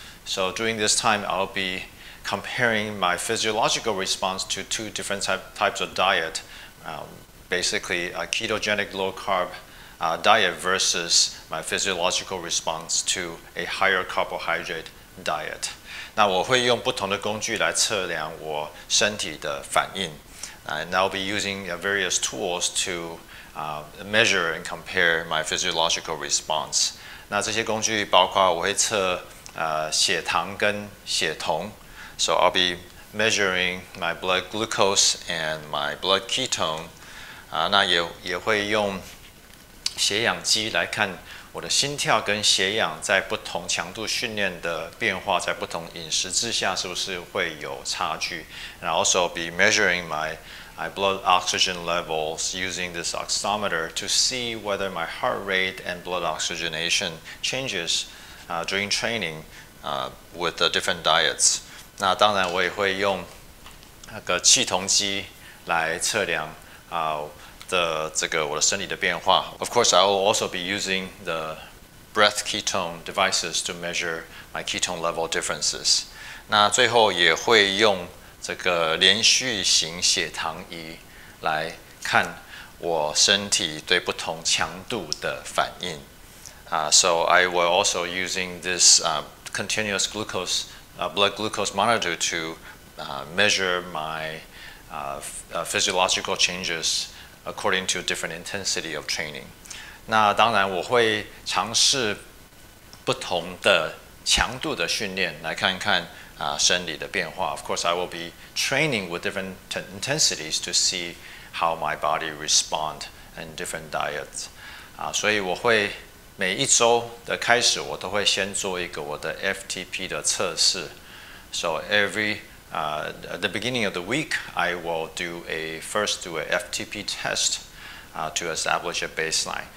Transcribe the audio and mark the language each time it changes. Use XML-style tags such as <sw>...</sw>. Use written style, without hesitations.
<en>So during this time, I'll be comparing my physiological response to two different types of diet, basically a ketogenic low-carb diet versus my physiological response to a higher carbohydrate diet.</en> <zh>那我会用不同的工具来测量我身体的反应。</zh> <en>And I'll be using various tools to measure and compare my physiological response.</en> <zh>那这些工具包括我会测血糖跟血酮。</zh> <en>So I'll be measuring my blood glucose and my blood ketone.</en> <zh>那也会用血氧机来看我的心跳跟血氧在不同强度训练的变化，在不同饮食之下是不是会有差距。</zh> <en>And I'll also be measuring my blood oxygen levels using this oximeter to see whether my heart rate and blood oxygenation changes during training with the different diets.</en> <zh>那当然我也会用那个气筒机来测量我的身体的变化。</zh> <en>Of course, I will also be using the breath ketone devices to measure my ketone level differences.</en> <zh>那最后也会用这个连续型血糖仪来看我身体对不同强度的反应。</zh> <en>So I will also using this continuous glucose,blood glucose monitor to measure my physiological changes according to different intensity of training.</en> <zh>那当然我会尝试不同的强度的训练来看看生理的变化。</zh> <en>Of course, I will be training with different intensities to see how my body respond in different diets.</en> <zh>所以我会每一周的开始我都会先做一个我的 FTP 的测试。</zh> <en>So every, at the beginning of the week, I will do an FTP test to establish a baseline.</en>